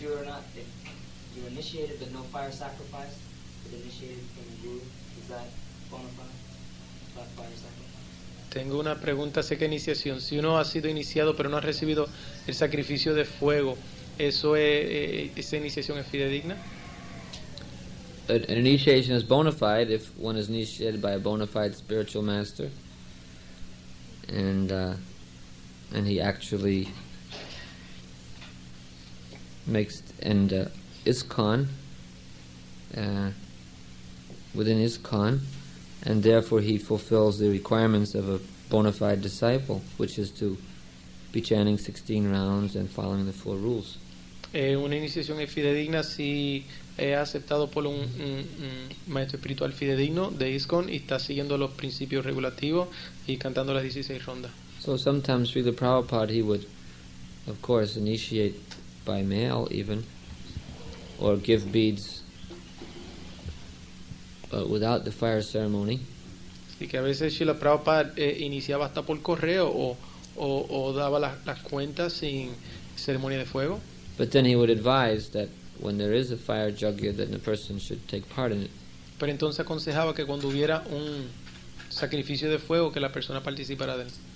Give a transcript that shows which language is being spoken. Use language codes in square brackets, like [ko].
[en] If you initiated the no fire sacrifice, but initiated from the guru, is that bona fide? No fire sacrifice. [es] Tengo una pregunta acerca de iniciación. Si uno ha sido iniciado pero no ha recibido el sacrificio de fuego, eso es esa iniciación es fidedigna? [en] An initiation is bona fide if one is initiated by a bona fide spiritual master, and he actually makes ISKCON, and therefore he fulfills the requirements of a bona fide disciple, which is to be chanting 16 rounds and following the four rules. [es] Una iniciación es fidedigna si es aceptado por un maestro espiritual fidedigno de ISKCON y está siguiendo los principios regulativos y cantando las 16 rondas. [en] So sometimes Srila Prabhupada, he would, of course, initiate by mail even, or give beads without the fire ceremony. [es] Y que a veces Srila Prabhupada iniciaba hasta por correo o daba las cuentas sin ceremonia de fuego. [en] But then he would advise that when there is a fire yagya, then the person should take part in it. [es] Pero entonces aconsejaba que cuando hubiera un sacrificio de fuego que la persona participara de él.